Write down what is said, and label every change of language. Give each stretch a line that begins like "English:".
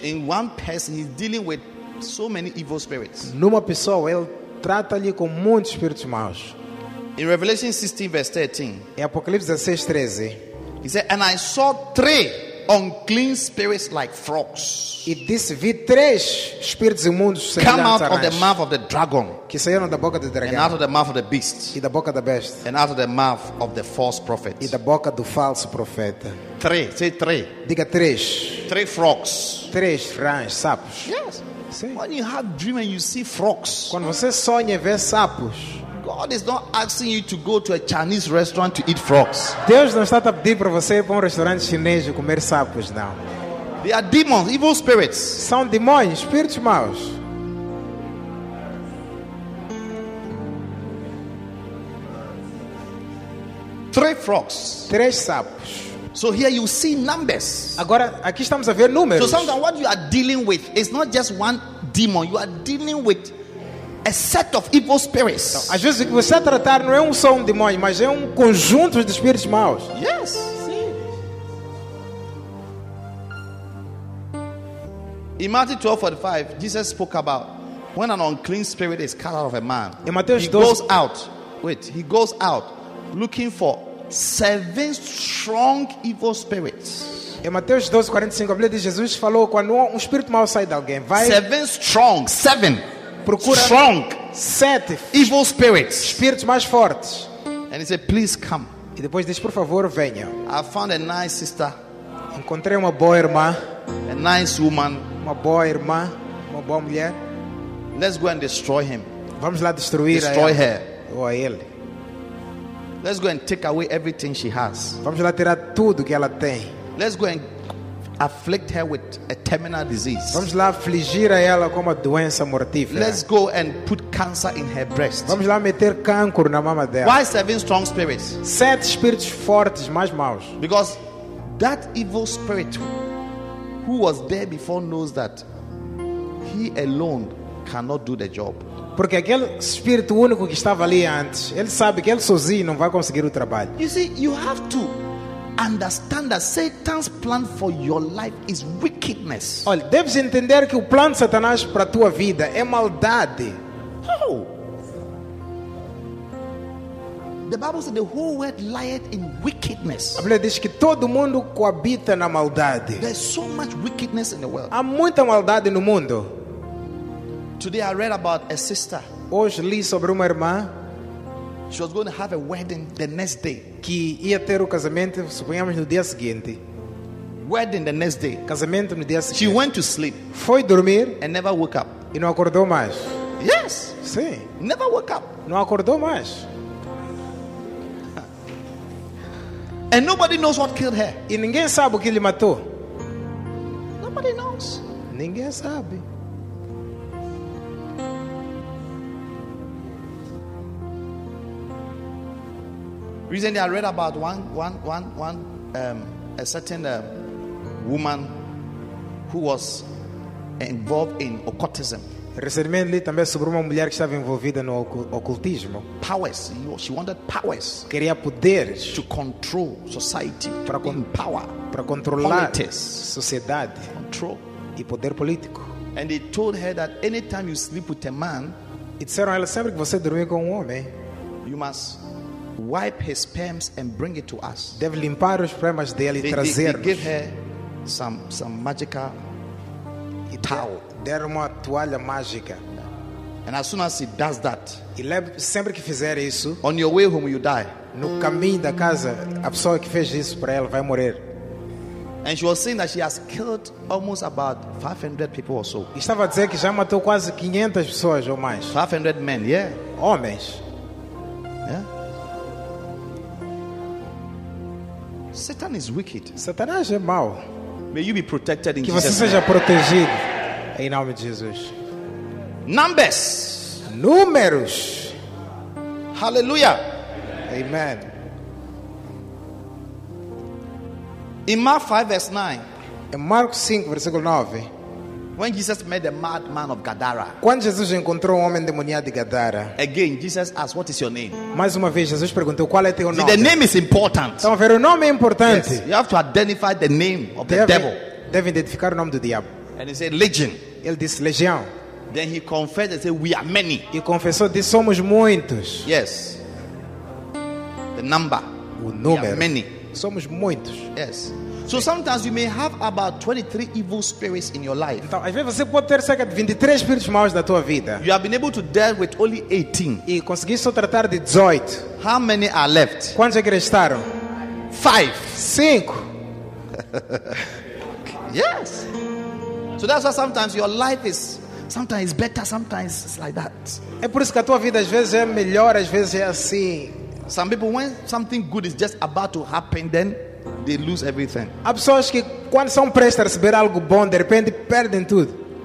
English: in one person he's dealing with so many evil spirits.
Portuguese: Numa pessoa ele trata-lhe com muitos espíritos maus.
English: In Revelation 16 verse 13.
Portuguese: Em Apocalipse 16, 13.
English: He said, and I saw three unclean spirits like frogs.
Portuguese: E disse, vi três espíritos imundos semelhantes a
English: rãs. Come out of the mouth of the dragon.
Portuguese: Que saíram da boca do dragão.
English: And out of the mouth of the beast.
Portuguese: E da boca da besta.
English: And out of the mouth of the false prophet.
Portuguese: E da boca do falso profeta.
English: Three. Say three.
Portuguese: Diga três.
English: Three frogs.
Portuguese: Três rãs, sapos.
English: Yes.
Portuguese: Sim.
English: When you have dream and you see frogs.
Portuguese: Quando você sonha e vê sapos.
English: God is not asking you to go to a Chinese restaurant to eat frogs.
Portuguese: Deus não está a pedir para você ir para restaurante chinês e comer sapos, não.
English: They are demons, evil spirits.
Portuguese: São demônios, espíritos maus.
English: Three frogs.
Portuguese: Três sapos.
English: So here you see numbers.
Portuguese: Agora aqui estamos a ver números.
English: So sometimes what you are dealing with is not just one demon. You are dealing with a set of evil spirits.
Portuguese: Então, às vezes o que você está a tratar não é só um demônio, mas é conjunto de espíritos maus.
English: Yes.
Portuguese: Sim.
English: In Matthew 12:45, Jesus spoke about when an unclean spirit is cast out of a man.
Portuguese: Em Mateus
English: he
Portuguese: 12...
English: goes out. Wait, he goes out looking for seven strong evil spirits.
Portuguese: Em Mateus 12:45, a Bíblia diz Jesus falou quando espírito mau sai de alguém, vai
English: seven strong, seven.
Portuguese: Procura
English: strong,
Portuguese: sete
English: evil spirits,
Portuguese: espíritos mais fortes.
English: And he said, please come.
Portuguese: E depois disse, por favor, venha.
English: I found a nice sister.
Portuguese: Encontrei uma boa irmã.
English: A nice woman.
Portuguese: Uma boa irmã, uma boa mulher.
English: Let's go and destroy him.
Portuguese: Vamos lá destruir
English: destroy
Portuguese: a ela.
English: Her.
Portuguese: Ou a ele.
English: Let's go and take away everything she has.
Portuguese: Vamos lá tirar tudo que ela tem.
English: Let's go and afflict her with a terminal disease.
Portuguese: Vamos lá afligir a ela com uma doença mortífera.
English: Let's go and put cancer in her breast.
Portuguese: Vamos lá meter câncer na mama dela.
English: Why seven strong spirits?
Portuguese: Sete espíritos fortes, mais maus.
English: Because that evil spirit who was there before knows that he alone cannot do the job.
Portuguese: Porque aquele espírito único que estava ali antes, ele sabe que ele sozinho não vai conseguir o trabalho.
English: You see, you have to understand that Satan's plan for your life is wickedness.
Portuguese: Olha, deves entender que o plano de Satanás para a tua vida é maldade.
English: How? The Bible says the whole world lieth in wickedness.
Portuguese: A Bíblia diz que todo mundo coabita na maldade.
English: There's so much wickedness in the world.
Portuguese: Há muita maldade no mundo.
English: Today I read about a sister.
Portuguese: Hoje li sobre uma irmã.
English: She was going to have a wedding the next day.
Portuguese: Que ia ter o casamento, suponhamos no dia seguinte.
English: Wedding the next day.
Portuguese: Casamento no dia seguinte.
English: She went to sleep.
Portuguese: Foi dormir.
English: And never woke up.
Portuguese: E não acordou mais.
English: Yes.
Portuguese: Sim.
English: Never woke up.
Portuguese: Não acordou mais.
English: And nobody knows what killed her.
Portuguese: E ninguém sabe o que lhe matou.
English: Nobody knows.
Portuguese: Ninguém sabe.
English: Recently, I read about a certain woman who was involved in occultism.
Portuguese: Recentemente, li também sobre uma mulher que estava envolvida no ocultismo.
English: Powers. She wanted powers.
Portuguese: Queria poderes.
English: To control society.
Portuguese: Para
English: power.
Portuguese: Para controlar.
English: Politics.
Portuguese: Sociedade.
English: Control.
Portuguese: E poder político.
English: And they told her that anytime you sleep with a man,
Portuguese: disseram a ela sempre que você dormir com homem,
English: you must wipe his sperms and bring it to us.
Portuguese: Deve limpar os espermas dele e trazer.
English: Give her some magical towel.
Portuguese: Deram uma toalha mágica.
English: And as soon as he does that,
Portuguese: ele sempre que fizer isso,
English: on your way home you die.
Portuguese: No caminho da casa, a pessoa que fez isso para ela vai morrer.
English: And she was saying that she has killed almost about 500 people or so.
Portuguese: Estava a dizer que já matou quase 500 pessoas ou mais.
English: 500 men, yeah.
Portuguese: Homens.
English: Yeah. Satan is wicked.
Portuguese: Satanás é mau.
English: May you be protected in Jesus' name.
Portuguese: Que você seja protegido em nome de Jesus.
English: Numbers.
Portuguese: Números.
English: Hallelujah. Amen. In Mark 5 verse 9.
Portuguese: Em Marcos 5 versículo 9.
English: When Jesus met the madman of Gadara.
Portuguese: Quando Jesus encontrou o homem demoniado de Gadara.
English: Again, Jesus asked, "What is your name?"
Portuguese: Mais uma vez Jesus perguntou, qual é teu nome?
English: See, the name is important.
Portuguese: Então, ver, o nome é importante.
English: Yes, you have to identify the name of
Portuguese: deve,
English: the devil.
Portuguese: Deve identificar o nome do diabo.
English: And he said, "Legion."
Portuguese: Ele disse, legião.
English: Then he confessed and said, "We are many."
Portuguese: E confessou, disse, somos muitos.
English: Yes. The number.
Portuguese: O número.
English: We are many.
Portuguese: Somos muitos.
English: Yes. So sometimes you may have about 23 evil spirits in your life.
Portuguese: Então, às vezes você pode ter cerca de 23 espíritos maus na tua vida.
English: You have been able to deal with only 18.
Portuguese: E conseguiste só tratar de 18.
English: How many are left?
Portuguese: Quantos é que restaram?
English: 5.
Portuguese: 5.
English: Yes. So that's why sometimes your life is sometimes better, sometimes it's like that.
Portuguese: É por isso que a tua vida às vezes é melhor, às vezes é assim.
English: Some people, when something good is just about to happen, then they lose everything.
Portuguese: Há pessoas que quando são prestes a receber algo bom, de repente perdem tudo.